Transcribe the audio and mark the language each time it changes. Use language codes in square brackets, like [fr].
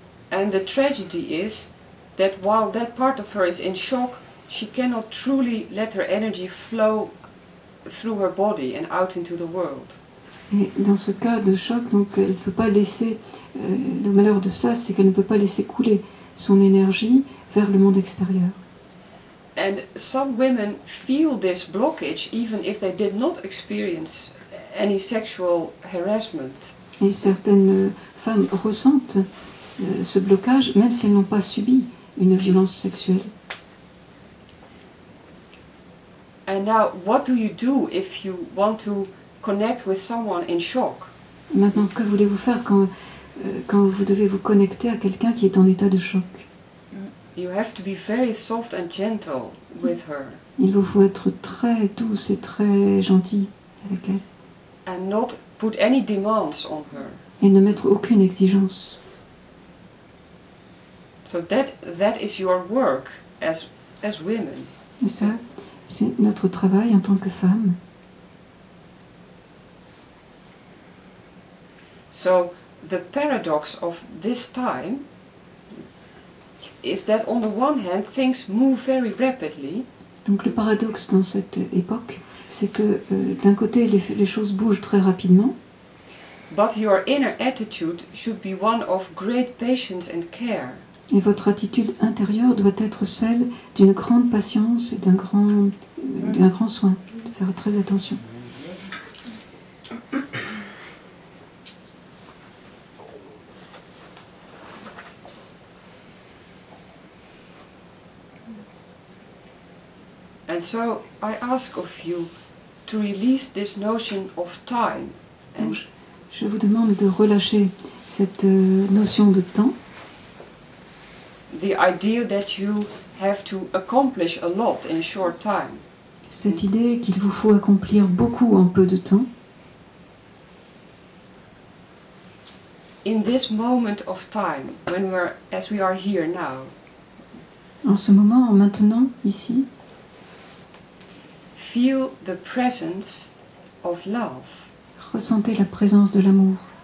[en] And the tragedy is that while that part of her is in shock, she cannot truly let her energy flow through her body and out into the world. [fr] Et dans ce cas de choc, donc, elle peut pas laisser, le malheur de cela, c'est qu'elle ne peut pas laisser couler son énergie vers le monde extérieur. [en] And some women feel this blockage even if they did not experience any sexual harassment. [fr] Et certaines femmes ressentent ce blocage même si elles n'ont pas subi une violence sexuelle. [en] And now, what do you do if you want to connect with someone in shock? [fr] Maintenant, que voulez-vous faire quand vous devez vous connecter à quelqu'un qui est en état de choc? [en] You have to be very soft and gentle with her. [fr] Il vous faut être très douce et très gentil avec elle. [en] And not put any demands on her. [fr] Et ne mettre aucune exigence. [en] So that is your work as women. [fr] Et ça, c'est notre travail en tant que femme. [en] So the paradox of this time is that on the one hand things move very rapidly. [fr] Donc le paradoxe dans cette époque, c'est que d'un côté les choses bougent très rapidement. [en] But your inner attitude should be one of great patience and care. [fr] Et votre attitude intérieure doit être celle d'une grande patience et d'un grand soin, de faire très attention. [en] And so I ask of you to release this notion of time. [fr] Donc, je vous demande de relâcher cette notion de temps. [en] The idea that you have to accomplish a lot in a short time. [fr] Cette idée qu'il vous faut accomplir beaucoup en peu de temps. [en] In this moment of time, when we are as we are here now. [fr] En ce moment, maintenant, ici. [en] Feel the presence of love. [fr] Ressentez la présence de l'amour.